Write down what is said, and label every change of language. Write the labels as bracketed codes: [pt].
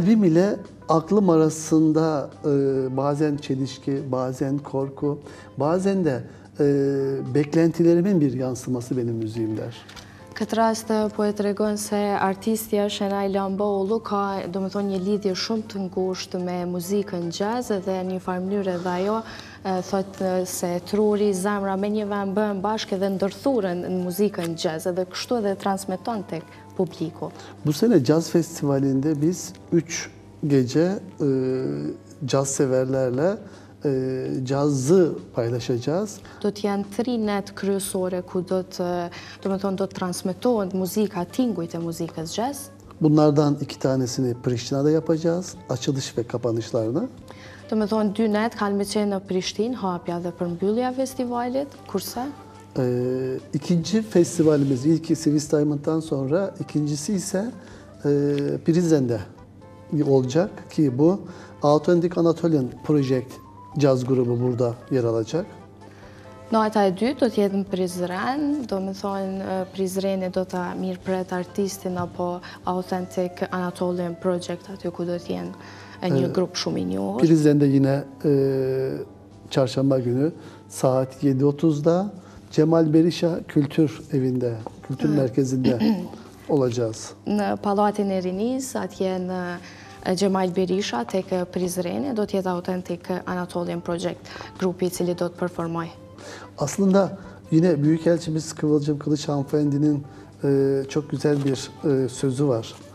[tr] Kalbim ile aklım arasında bazen çelişki, bazen korku, bazen de beklentilerimin bir yansıması benim müziğim der. [sq] Këtë rast po e tregon se artistja Şenay Lamboğlu ka do më thonë një lidhje shumë të ngushtë me muzikën jazz dhe një farë mënyrë edhe ajo thotë se truri, zemra me një vend bëhen bashkë dhe ndërthuren në muzikën jazz dhe kështu edhe transmeton tek publiku. [tr] Bu sene jazz festivalinde biz 3 gece jazz severlerle cazı paylaşacağız. [sq] Do të janë 3 net kryesore ku do të, domethënë do të transmetohet muzika tingujt e muzikës jazz. [tr] Bunlardan 2 tanesini Prishtina'da yapacağız, açılış ve kapanışlarını. [sq] Domethënë 2 net kanë qenë në Prishtinë, hapja dhe përmbyllja festivalit, kurse [tr] ikinci festivalimiz, ilki Swiss Diamond'dan sonra ikincisi ise Prizren'de olacak ki bu Authentic Anatolian Project caz grubu burada yer alacak. [sq] Nata e dytë do të jetë në Prizren, do më thonë Prizreni do të mirë pret artistin apo Authentic Anatolian Project aty ku do të jenë një grup shumë i njohur. [tr] Prizren'de yine çarşamba günü saat 7.30'da Cemal Berisha Kültür Evi'nde, Kültür Merkezi'nde olacağız. [sq] Në Palatin e Rinis, atje në Cemal Berisha tek Prizreni do të jetë Authentic Anatolian Project grupi i cili do të performojë. [tr] Aslında yine Büyükelçimiz Kıvılcım Kılıç Hanımefendi'nin çok güzel bir sözü var.